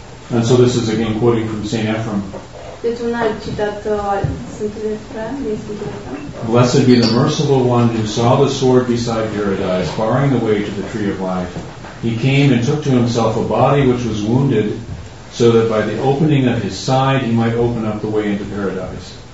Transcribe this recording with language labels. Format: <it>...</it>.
<en>And so this is again quoting from Saint Ephrem.</en> <ro>Deci un alt citat Sfântului Efrem.</ro> <en>Blessed be the merciful one who saw the sword beside Paradise, barring the way to the tree of life. He came and took to himself a body which was wounded, so that by the opening of his side he might open up the way into Paradise.</en>